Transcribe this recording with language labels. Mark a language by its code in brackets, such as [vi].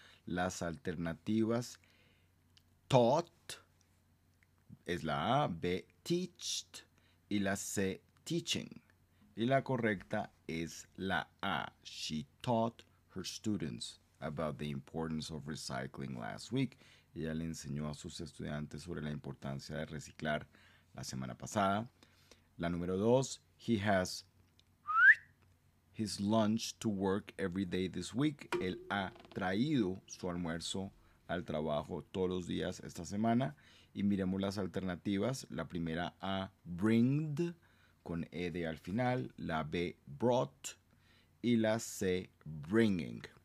[es] Las alternativas. Taught. Es la A. B, teached. Y la C, teaching. Y la correcta es la A. [en] She taught her students about the importance of recycling last week. [es] Ella le enseñó a sus estudiantes sobre la importancia de reciclar la semana pasada. La número dos. [en] He has his lunch to work every day this week. [es] Él ha traído su almuerzo al trabajo todos los días esta semana. Y miremos las alternativas. La primera A, bringed, con ed al final, la B, brought, y la C, bringing.